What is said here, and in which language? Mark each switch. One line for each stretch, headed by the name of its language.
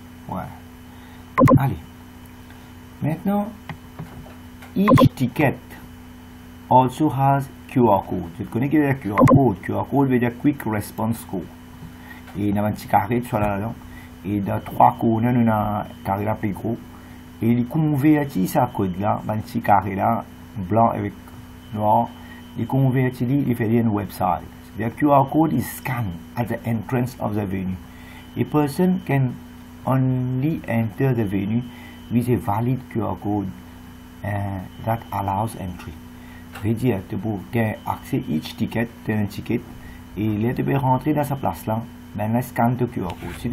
French: Ouais. Allez. Maintenant,
English: each ticket also has QR code.
French: Tu connais qu'il y a QR code. QR code veut dire
English: quick response code.
French: Et il y a un petit carré de soi là-dedans. Et dans trois colonnes, on a un carré là plus gros. Et il convertit sa code là, un petit carré là, blanc avec noir. Il convertit, il fait un website.
English: Le QR code is scanned at the entrance of the venue. A person can only enter the venue with a valid QR code that allows entry.
French: Redire, tu peux gagner accès à
English: each ticket,
French: tu as un ticket, et là tu peux rentrer dans sa place là, maintenant scanne ton QR code.